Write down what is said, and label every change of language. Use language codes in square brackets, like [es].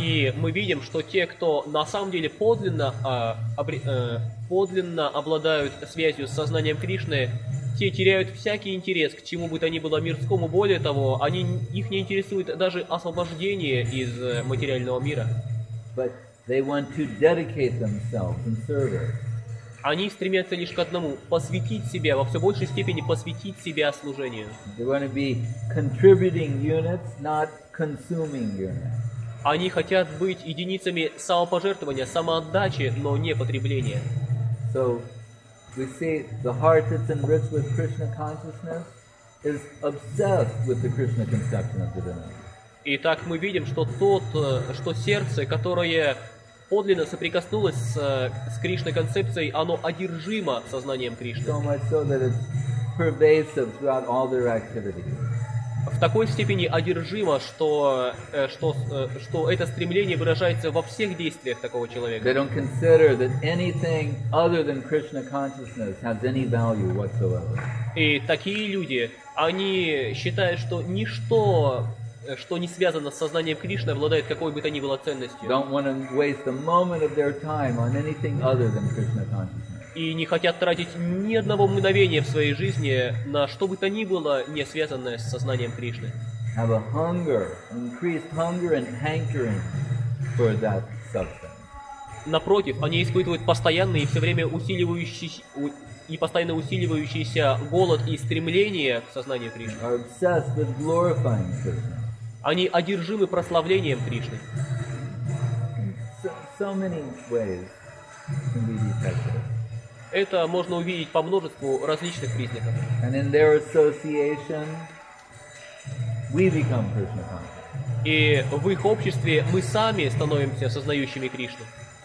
[ru] И мы видим, что те, кто на самом деле подлинно подлинно обладают связью с сознанием Кришны, те теряют всякий интерес к чему бы то ни было мирскому. Более того, их не интересует даже освобождение из материального мира. [en] But they want to dedicate themselves in service. [ru] Они стремятся лишь к одному – посвятить себя, во все большей степени посвятить себя служению. [en] They want to be contributing units, not consuming units. [ru] Они хотят быть единицами самопожертвования, самоотдачи, но не потребления. [en] So, we see the heart that's enriched with Krishna consciousness is obsessed with the Krishna conception of divinity. [ru] Итак, мы видим, что сердце, которое подлинно соприкоснулось с Кришной концепцией, оно одержимо сознанием Кришны. [en] So much so that it's pervasive throughout all their activities. [ru] В такой степени одержимо, что это стремление выражается во всех действиях такого человека. [en] They don't consider that anything other than Krishna consciousness has any value whatsoever. [ru] И такие люди, они считают, что ничто, что не связано с сознанием Кришны, обладает какой бы то ни было ценностью. [en] Don't want to waste a moment of their time on anything other than Krishna consciousness. [ru] И не хотят тратить ни одного мгновения в своей жизни на что бы то ни было, не связанное с сознанием Кришны. [en] Have a hunger, increased hunger and hankering for that substance. [ru] Напротив, они испытывают постоянный и все время усиливающийся голод и стремление к сознанию Кришны. [en] Are obsessed with glorifying Krishna. [ru] Они одержимы прославлением Кришны. [en] So many ways can be detected. [ru] Это можно увидеть по множеству различных признаков. [en] And in their association, we become Krishna conscious. [ru] И в их обществе мы сами становимся сознающими Кришну.